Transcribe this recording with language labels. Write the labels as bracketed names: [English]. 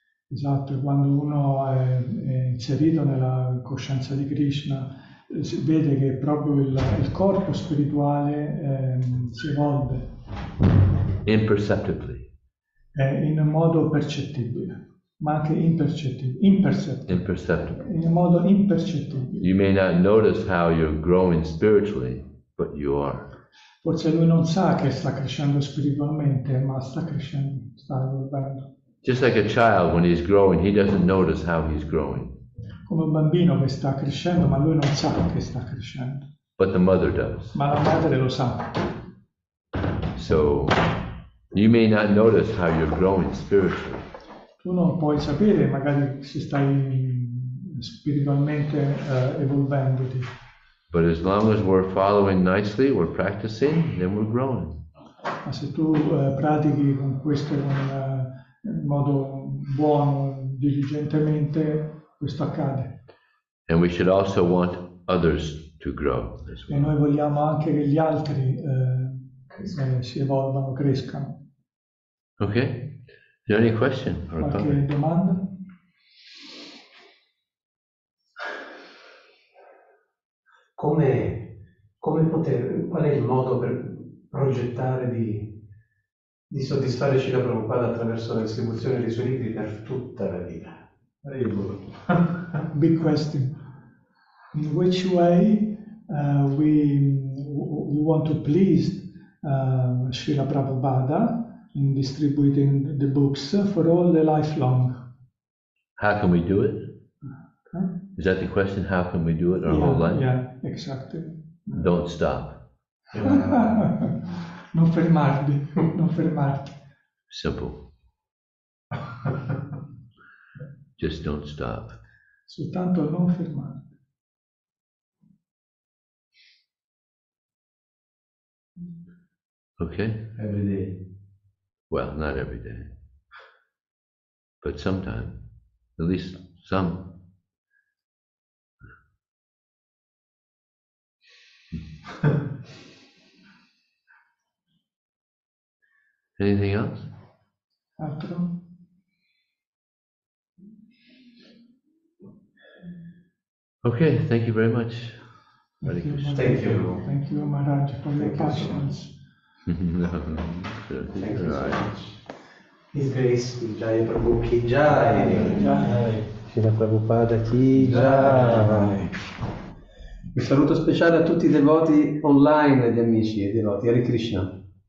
[Italian] Esatto, quando uno è inserito nella coscienza di Krishna, si vede che proprio il corpo spirituale si evolve. [English] Imperceptibly. [Italian] In un modo percettibile, ma anche imperceptibile. In un modo impercettibile. [English] You may not notice how you're growing spiritually, but you are. [Italian] Forse lui non sa che sta crescendo spiritualmente, ma sta crescendo, sta evolvendo. [English] Just like a child when he's growing, he doesn't notice how he's growing. [Italian] Come un bambino che sta crescendo, ma lui non sa che sta crescendo. [English] But the mother does. [Italian] Ma la madre lo sa. [English] So You may not notice how you're growing spiritually. [Italian] Tu non puoi sapere, magari, se stai spiritualmente evolvendoti. [English] But as long as we're following nicely, we're practicing, then we're growing. [Italian] Ma se tu pratichi con questo in modo buono, diligentemente, questo accade. [English] And we should also want others to grow as well. [Italian] E noi vogliamo anche che gli altri si evolvano, crescano. [English] Okay. Is there any question or [Italian] qualche comment? Domanda? Come poter, qual è il modo per progettare di soddisfare Srila Prabhupada attraverso la distribuzione dei suoi libri per tutta la vita? [English] Big question. In which way we want to please Srila Prabhupada in distributing the books for all the lifelong? How can we do it? Is that the question? How can we do it our whole life? Yeah, exactly. Don't stop. [Italian] Non fermarti, non fermarti. [English] Simple. Just don't stop. [Italian] Soltanto non fermarti. [English] Okay. Every day. Well, not every day. But sometime. At least some. Anything else? [Italian] Altro? [English] Okay, thank you very much. Thank you, Maharaj, for your patience. Thank you so much. His Grace, [Hindi] Jai Prabhu Ki Jai. Srila Prabhupada Ki Jai. [Italian] Un saluto speciale a tutti i devoti online, gli amici e devoti, Hare Krishna.